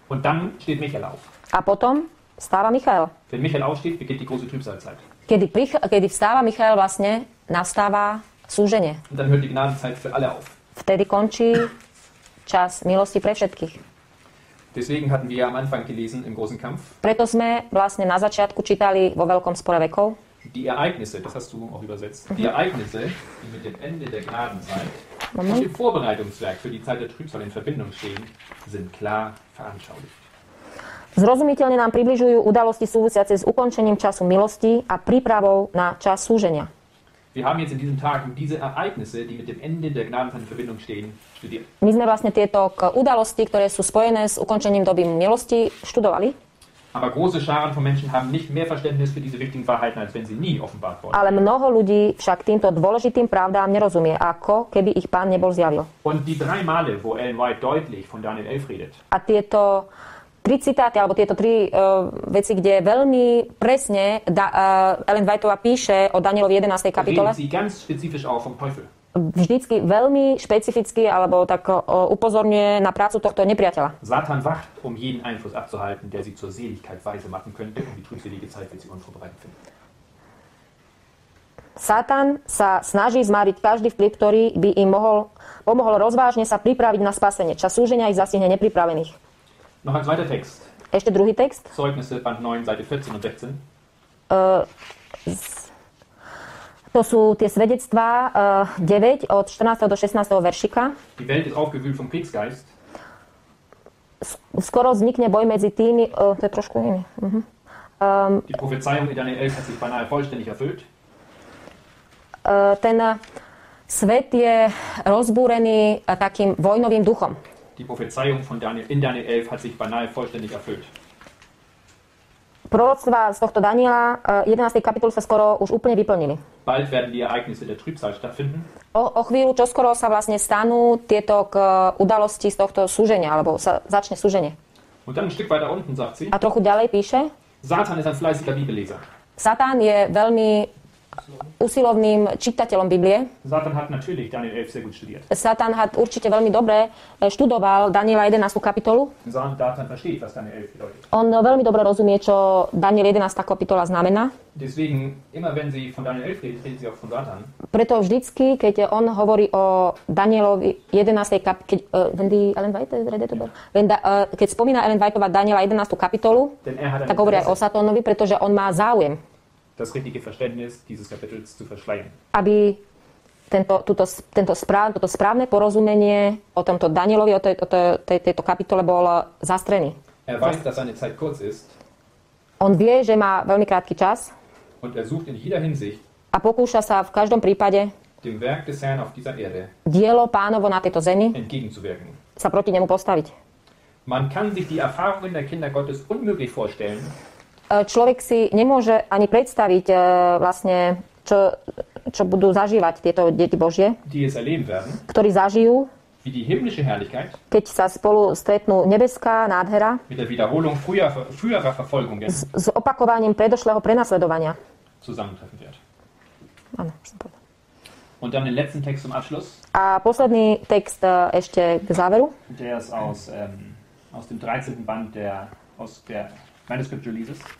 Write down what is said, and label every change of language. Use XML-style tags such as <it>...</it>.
<de>Und dann steht Michael auf.</de> <sk>A potom Vstáva Michael.</sk> <de>Keď Michael aufsteht, beginnt die große Trübsalzeit.</de> <sk>Kedy vstáva Michael, vlastne nastáva súženie.</sk> <de>Und dann hört die Gnadenzeit für alle auf.</de> <sk>Vtedy končí čas milosti pre všetkých.</sk> <de>Deswegen hatten wir am Anfang gelesen im großen Kampf.</de> <sk>Preto sme vlastne na začiatku čítali vo veľkom spore vekov.</sk> <de>Die Ereignisse, das hast du auch übersetzt. Die Ereignisse, die mit dem Ende der Gnadenzeit und dem Vorbereitungswerk für die Zeit der Trübsal in Verbindung stehen, sind klar veranschaulicht.</de> <sk>Zrozumiteľne nám približujú udalosti súvisiace s ukončením času milosti a prípravou na čas súženia.</sk> <de>Wir haben jetzt in diesen Tagen diese Ereignisse, die mit dem Ende der Gnadenzeit in Verbindung stehen, studiert.</de> <sk>My sme vlastne tieto udalosti, ktoré sú spojené s ukončením doby milosti, študovali.</sk> <de>Aber große Scharen von Menschen haben nicht mehr Verständnis für diese wichtigen Wahrheiten, als wenn sie nie offenbart worden.</de> <sk>Ale mnoho ľudí však týmto dôležitým pravdám nerozumie, ako keby ich Pán nebol zjavil.</sk> <de>Und die drei Male, wo Ellen White deutlich von Daniel 11 redet.</de> <sk>A tieto tri citáty, alebo tieto tri veci, kde veľmi presne Ellen Whiteová píše o Danielovi 11. kapitole.</sk> <de>Reden sie ganz spezifisch auch vom Teufel.</de> <sk>Vždycky veľmi špecificky alebo tak upozorňuje na prácu tohto nepriateľa.</sk> <de>Satan wacht, um jeden Einfluss abzuhalten, der sie zur Seligkeit weise machen könnte, und die trübselige Zeit wird sie unvorbereitet finden.</de> <sk>Satan sa snaží zmáriť každý vplyv, ktorý by im mohol pomohol rozvážne sa pripraviť na spasenie. Čas súženia ich zasiahne nepripravených.</sk> <de>Noch ein zweiter Text.</de> <sk>Ešte druhý text.</sk> <de>Zeugnisse, Band 9, Seite 14 und 16.</de> <sk>To sú tie svedectvá 9 od 14. do 16. veršika.</sk> <de>Die Welt ist aufgewühlt vom Kriegsgeist.</de> <sk>Skoro vznikne boj medzi tými, to je trošku iný.</sk> <de>Die Prophezeiung in Daniel 11 hat sich beinahe vollständig erfüllt.</de> <sk>Ten svet je rozbúrený takým vojnovým duchom.</sk> <de>Die Prophezeiung von Daniel in Daniel 11 hat sich beinahe vollständig erfüllt.</de> <sk>Proroctvá z tohto Daniela 11. kapitolu sa skoro už úplne vyplnili.</sk> <de>Bald werden die Ereignisse der Trübsal stattfinden.</de> <sk>O chvíľu, čo skoro sa vlastne stanú tieto udalosti z tohto súženia, alebo sa začne súženie.</sk> <de>Und dann ein Stück weiter unten, sagt sie.</de> <sk>A trochu ďalej píše.</sk> <de>Satan ist ein fleißiger Bibelleser.</de> <sk>Satan je veľmi usilovným čitateľom Biblie.</sk> <de>Satan hat natürlich Daniel 11 sehr gut studiert.</de> <sk>Satan hat určite veľmi dobre študoval Daniela 11. kapitolu.</sk> <de>Satan versteht, was Daniel 11 bedeutet.</de> <sk>On veľmi dobre rozumie, čo Daniel 11. kapitola znamená.</sk> <de>Deswegen, immer wenn sie von Daniel 11 reden, reden sie auch von Satan.</de> <sk>Preto vždycky, keď on hovorí o Danielovi 11. Keď spomína Ellen Whiteová Daniela 11. kapitolu, tak hovorí aj o Satanovi, pretože on má záujem.</sk> <de>Das richtige Verständnis dieses Kapitels zu verschleiern.</de> <sk>Aby toto správne porozumenie o tomto Danielovi, o tejto kapitole bol zastrený.</sk> <de>Er weiß, dass seine Zeit kurz ist.</de> <sk>On vie, že má veľmi krátky čas.</sk> <de>Und er sucht in jeder Hinsicht.</de> <sk>A pokúša sa v každom prípade</sk> <de>dem Werk des Herrn auf dieser Erde</de> <sk>dielo pánovo na tejto zemi</sk> <de>entgegenzuwirken.</de> <sk>Sa proti nemu postaviť.</sk> <de>Man kann sich die Erfahrungen der Kinder Gottes unmöglich vorstellen.</de> <sk>Človek si nemôže ani predstaviť vlastne, čo budú zažívať tieto deti Božie,</sk> <de>werden,</de> <sk>ktorí zažijú,</sk> <de>wie die himmlische Herrlichkeit,</de> <sk>keď sa spolu stretnú nebeská nádhera</sk> <de>mit der Wiederholung früherer Verfolgungen,</de> <sk>s opakovaním predošlého prenasledovania.</sk> <de>Zusammentreffen wird.</de> <sk>Áno.</sk> <de>Und dann den letzten Text zum Abschluss.</de> <sk>A posledný text ešte k záveru.</sk> <de>Der ist aus dem 13. Band aus der Manuscript Releases.</de>